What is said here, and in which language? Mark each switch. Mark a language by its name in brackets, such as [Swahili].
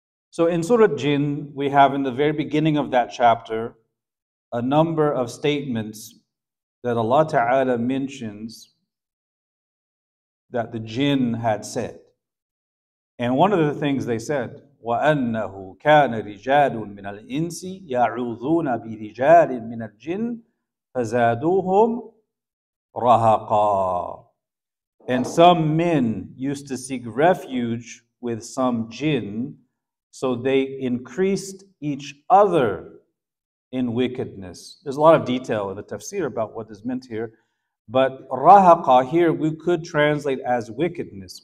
[English] So in Surah Jin, we have in the very beginning of that chapter a number of statements that Allah Ta'ala mentions that the jinn had said. And one of the things they said, [Arabic] وَأَنَّهُ كَانَ رِجَالٌ مِنَ الْإِنسِ يَعُوذُونَ بِرِجَالٍ مِنَ الْجِنِّ فَزَادُوهُمْ رَهَقًا. [English] And some men used to seek refuge with some jinn, so they increased each other in wickedness. There's a lot of detail in the tafsir about what is meant here, But rahaqa here we could translate as wickedness.